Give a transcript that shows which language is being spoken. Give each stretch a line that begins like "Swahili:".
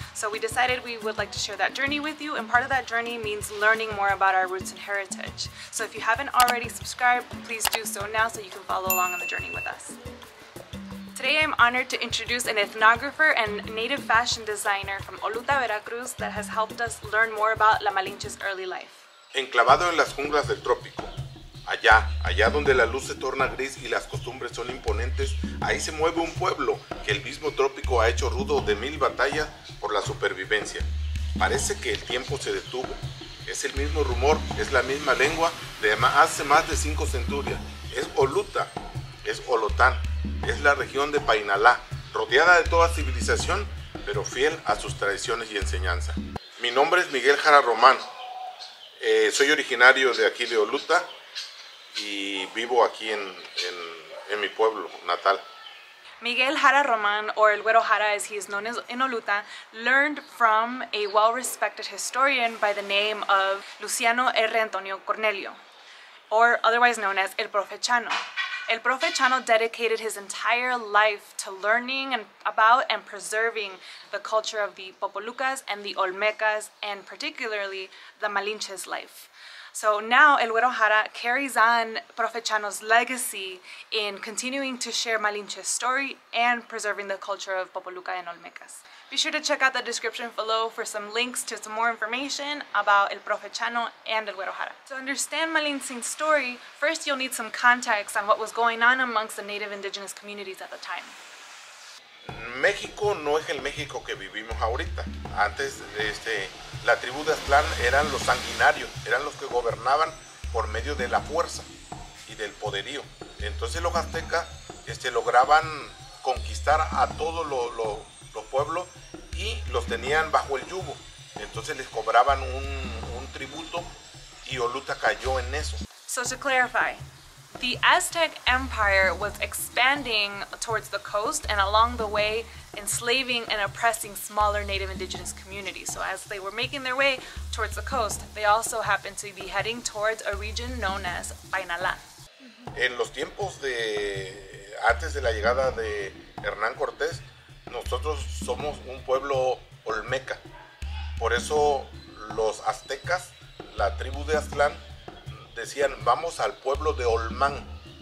English: So we decided we would like to share that journey with you, and part of that journey means learning more about our roots and heritage. So if you haven't already subscribed, please do so now so you can follow along on the journey with us. Today I'm honored to introduce an ethnographer and native fashion designer from Oluta, Veracruz that has helped us learn more about La Malinche's early life.
Spanish: Enclavado en las junglas del trópico, allá donde la luz se torna gris y las costumbres son imponentes, ahí se mueve un pueblo que el mismo trópico ha hecho rudo de mil batallas por la supervivencia. Parece que el tiempo se detuvo. Es el mismo rumor, es la misma lengua de hace más de 5 centurias. Es Oluta, es Olotán. Es la región de Painalá, rodeada de toda civilización, pero fiel a sus tradiciones y enseñanza. Mi nombre es Miguel Jara Román. Soy originario de aquí de Oluta y vivo aquí en mi pueblo natal.
English: Miguel Jara Román, or El Güero Jara as he is known as in Oluta, learned from a well-respected historian by the name of Luciano R. Antonio Cornelio, or otherwise known as El Profe Chano. El Profe Chano dedicated his entire life to learning about and preserving the culture of the Popolucas and the Olmecas, and particularly the Malinche's life. So now El Güero Jara carries on Profe Chano's legacy in continuing to share Malinche's story and preserving the culture of Popoluca and Olmecas. Be sure to check out the description below for some links to some more information about El Profe Chano and El Güero Jara. To understand Malinche's story, first you'll need some context on what was going on amongst the native indigenous communities at the time.
Spanish: México no es el México que vivimos ahorita. Antes, la tribu de Aztlán eran los sanguinarios, eran los que gobernaban por medio de la fuerza y del poderío. Entonces los aztecas lograban conquistar a todos los pueblos y los tenían bajo el yugo. Entonces les cobraban un tributo y Oluta cayó en eso.
English: So to clarify, the Aztec Empire was expanding towards the coast and along the way enslaving and oppressing smaller native indigenous communities. So as they were making their way towards the coast, they also happened to be heading towards a region known as Painalá.
Spanish: En los tiempos de antes de la llegada de Hernán Cortés, nosotros somos un pueblo olmeca. Por eso los aztecas, la tribu de Aztlán, decían, vamos al pueblo de Olmán.